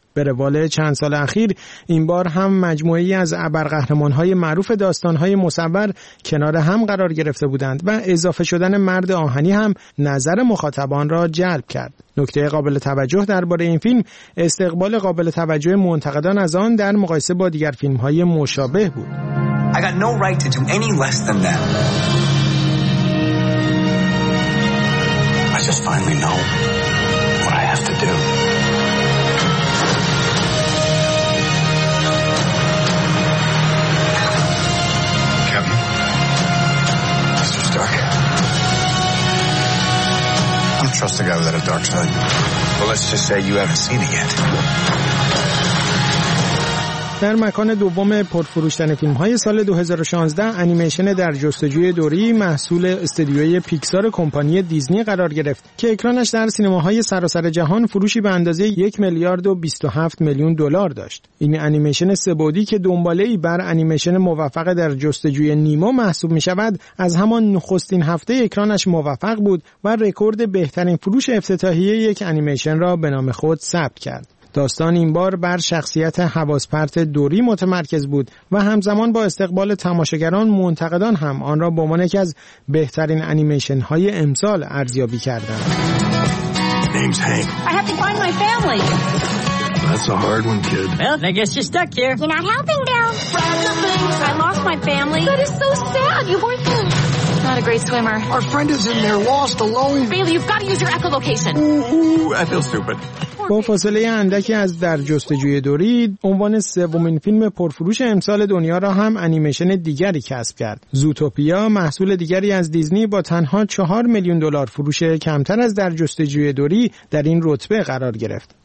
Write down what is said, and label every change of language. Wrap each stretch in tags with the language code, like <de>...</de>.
<fa>به روال چند سال اخیر، این بار هم مجموعه‌ای از ابرقهرمان‌های معروف داستان‌های مصور کنار هم قرار گرفته بودند و اضافه شدن مرد آهنی هم نظر مخاطبان را جلب کرد. نکته قابل توجه درباره این فیلم، استقبال قابل توجه منتقدان از آن در مقایسه با دیگر فیلم‌های مشابه بود.</fa> <en>I got no right to do any less than that. I just finally know what I have to do. Kevin, Mr. Stark, I don't trust a guy without a dark side. Well, let's just say you haven't seen it yet.</en> <fa>در مکان دوم پرفروش‌ترین فیلم‌های سال 2016، انیمیشن در جستجوی دوری محصول استودیوی پیکسار کمپانی دیزنی قرار گرفت که اکرانش در سینماهای سراسر جهان فروشی به اندازه 1,027,000,000 دلار داشت. این انیمیشن سه‌بعدی که دنباله‌ای بر انیمیشن موفق در جستجوی نیمو محسوب می‌شود، از همان نخستین هفته اکرانش موفق بود و رکورد بهترین فروش افتتاحیه یک انیمیشن را به نام خود ثبت کرد. داستان این بار بر شخصیت حواس‌پرت دوری متمرکز بود و همزمان با استقبال تماشاگران، منتقدان هم آن را به عنوان یکی از بهترین انیمیشن‌های امسال ارزیابی کردند.</fa> <en>Name's Hank. I have to find my family. That's a hard one, kid. Well, I guess you're stuck here. You're not helping now. I lost my family. That is so sad. You weren't there. Not a great swimmer. Our friend is in there lost alone. Bailey, you've got to use your echolocation. I feel stupid.</en> <fa>با فاصله اندکی از در جستجوی دوری، عنوان سومین فیلم پرفروش امسال دنیا را هم انیمیشن دیگری کسب کرد. زوتوپیا، محصول دیگری از دیزنی، با تنها 4,000,000 دلار فروش کمتر از در جستجوی دوری در این رتبه قرار گرفت.</fa>